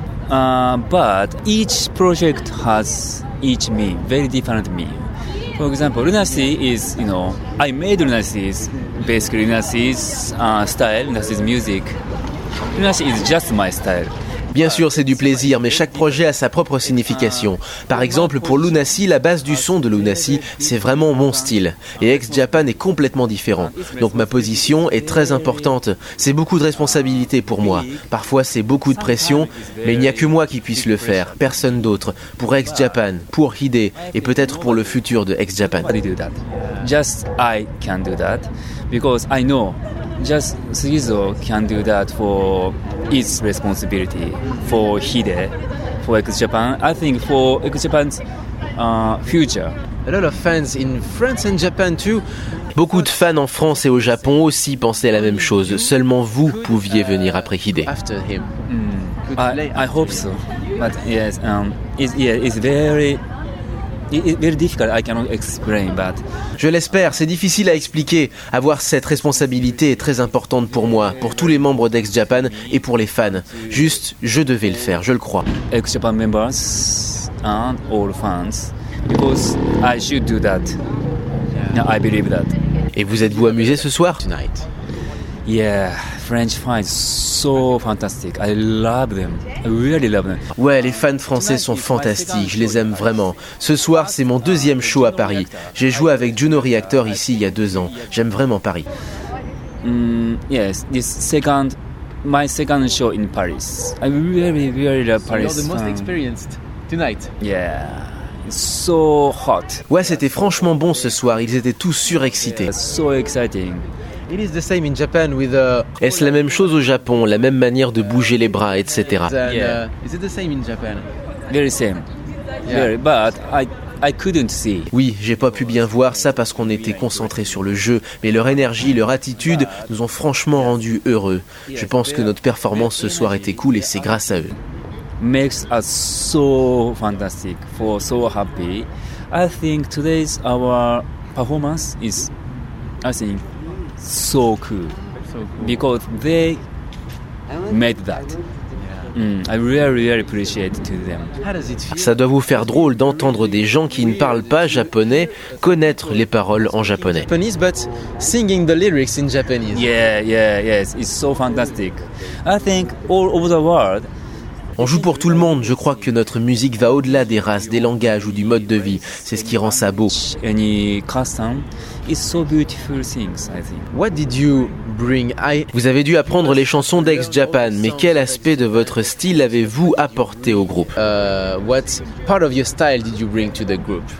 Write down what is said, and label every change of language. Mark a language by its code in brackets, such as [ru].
[en] But each project has each me, very different me. For example, Lunacy is, you know, I made Lunacy's, basically Lunacy's style, Lunacy's music. Lunacy is just my style. [fr] Bien sûr, c'est du plaisir, mais chaque projet a sa propre signification. Par exemple, pour Lunacy, la base du son de Lunacy, c'est vraiment mon style. Et X-Japan est complètement différent. Donc ma position est très importante. C'est beaucoup de responsabilité pour moi. Parfois, c'est beaucoup de pression, mais il n'y a que moi qui puisse le faire. Personne d'autre. Pour X-Japan, pour Hide, et peut-être pour le futur de X-Japan. [en] Just I can do that. Because I know, just Sugizo can do that for his responsibility, for Hide, for X-Japan. I think for X-Japan's future. A lot of fans in France and Japan too. [fr] Beaucoup de fans en France et au Japon aussi pensaient la même chose. Seulement vous pouviez venir après Hide. [en] After him. I hope so. But yes, it's very difficult. I cannot explain, but [fr] je l'espère, c'est difficile à expliquer. Avoir cette responsabilité est très importante pour moi, pour tous les membres d'X-Japan et pour les fans. Juste, je devais le faire, je le crois. [en] X-Japan members and all fans, because I should do that. Yeah, I believe that. [fr] Et vous êtes-vous amusé ce soir? [en] Tonight. Yeah, French fans so fantastic. I love them. I really love them. [fr] Ouais, les fans français sont fantastiques. Je les aime vraiment. Ce soir, c'est mon deuxième show à Paris. J'ai joué avec Juno Reactor ici il y a 2 ans. J'aime vraiment Paris. [en] Yes, this second, my second show in Paris. I really, really love Paris. So you're the most experienced tonight. Yeah. So hot. [fr] Ouais, c'était franchement bon ce soir. Ils étaient tous surexcités. [en] Yeah, so exciting. It is the same in Japan with [fr] Est-ce la même chose au Japon, la même manière de bouger les bras, etc. [en] Yeah. Is it the same in Japan? Very same. Yeah. Very, but I couldn't see. [fr] Oui, j'ai pas pu bien voir ça parce qu'on était concentrés sur le jeu, mais leur énergie, leur attitude nous ont franchement rendu heureux. Je pense que notre performance ce soir était cool et c'est grâce à eux. [en] Makes us so fantastic, for so happy. I think today's our performance is, I think, so cool. Because they made that. I really, really appreciate to them. [fr] Ça doit vous faire drôle d'entendre des gens qui ne parlent pas japonais connaître les paroles en japonais. [en] Japanese, but singing the lyrics in Japanese. Yes, it's so fantastic. I think all over the world. [fr] On joue pour tout le monde. Je crois que notre musique va au-delà des races, des langages ou du mode de vie. C'est ce qui rend ça beau. [en] Any custom is so beautiful things, I think. What did you bring? [fr] Vous avez dû apprendre les chansons d'X-Japan, mais quel aspect de votre style avez-vous apporté au groupe? [en] What part of your style did you bring to the group?